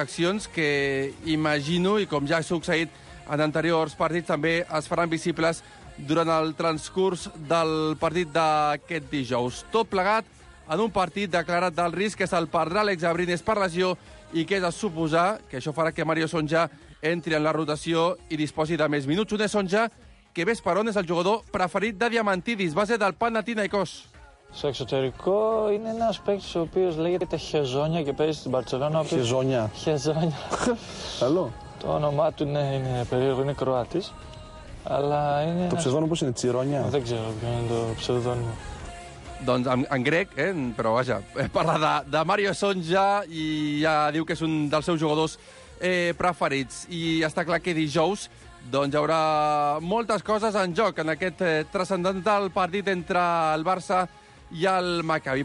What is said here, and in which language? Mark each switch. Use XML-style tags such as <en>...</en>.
<ca>Accions que, imagino, i com ja ha succeït en anteriors partits, també es faran visibles durant el transcurs del partit d'aquest dijous. Tot plegat en un partit declarat del risc, que se'l perdrà l'ex-Abrines per lesió i que és de suposar que això farà que Mario Sonja entri en la rotació i disposi de més minuts. Un és Sonja, que ves per on és el jugador preferit de Diamantidis, base del Panathinaikos.</ca> <el>Σε εξωτερικό είναι ένας παίκτης ο οποίος λέγεται Χεζόνια και παίζει στην Μπαρτσελόνα. Χεζόνια. Χεζόνια. Καλό. Το όνομά του είναι περίεργο, είναι Κροάτης. Αλλά είναι... Το ψευδόνιμο πώς είναι, Τσιρόνια. Δεν ξέρω ποιο είναι το ψευδόνιμο.</el> <ca>Doncs en grec, eh? Però vaja, parla de Mario Sonja i ja diu que és un dels seus jugadors preferits. I està clar que dijous doncs hi haurà moltes coses en joc en aquest transcendental partit entre el Barça i el Maccabi.</ca>